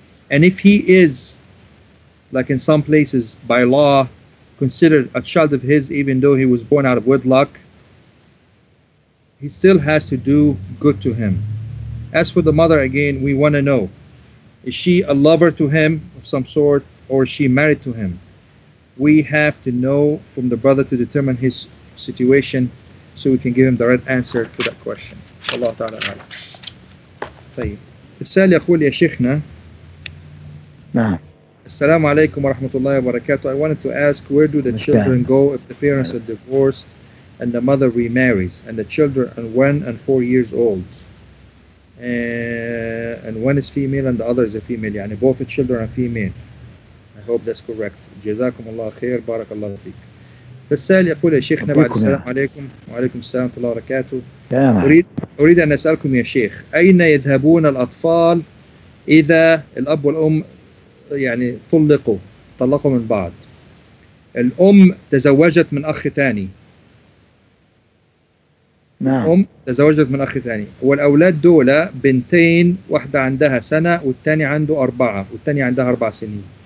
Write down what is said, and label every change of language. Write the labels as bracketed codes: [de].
[en] And if he is, like in some places by law, considered a child of his, even though he was born out of wedlock, he still has to do good to him. As for the mother, again, we want to know, is she a lover to him of some sort, or is she married to him? we have to know from the brother to determine his situation so we can give him the right answer to that question. Allah Ta'ala A'lam. [ar] طيب السؤال يقول يا شيخنا السلام عليكم ورحمة الله وبركاته. [en] I wanted to ask, where do the children go if the parents are divorced and the mother remarries, and the children are 1 and 4 years old, and one is female and the other is a female, يعني both the children are female. I hope that's correct. [ar] جزاكم الله خير بارك الله فيك. السؤال يقول يا شيخنا بعد السلام عليكم وعليكم السلام ورحمة الله وبركاته. أريد أن أسألكم يا شيخ, أين يذهبون الأطفال إذا الأب والأم يعني طلقوا من بعض, الأم تزوجت من أخ ثاني, الأم تزوجت من أخ ثاني, والأولاد دولة بنتين, واحدة عندها سنة والثاني عنده 4 والثاني عندها 4 سنين.